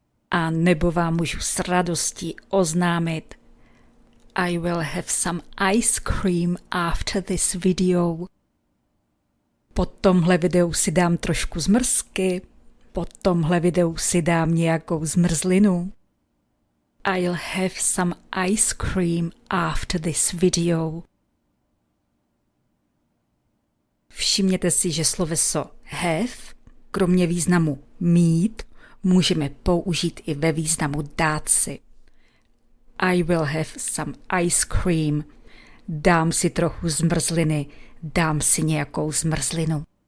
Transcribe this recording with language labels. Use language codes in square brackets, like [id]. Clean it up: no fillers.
[cs] A nebo vám můžu s radostí oznámit. [en] I will have some ice cream after this video. [cs] Po tomhle videu si dám trošku zmrzky. Po tomhle videu si dám nějakou zmrzlinu. [en] I'll have some ice cream after this video. [cs] Všimněte si, že sloveso have, kromě významu mít, můžeme použít i ve významu dát si. [en] I will have some ice cream. [cs] Dám si trochu zmrzliny, dám si nějakou zmrzlinu.